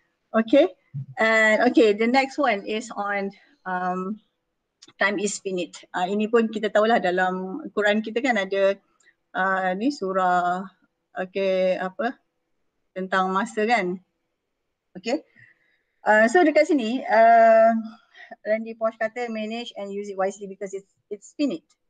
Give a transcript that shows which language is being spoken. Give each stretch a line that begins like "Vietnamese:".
English: Okay, and okay, the next one is on time is finite.
Malay: Ini pun kita tahulah dalam Quran kita kan ada ni surah, okay, apa tentang masa kan.
English: Okay, so
Malay: dekat sini
English: Randy Bosch
Malay: kata
English: manage and use it wisely because it's finite.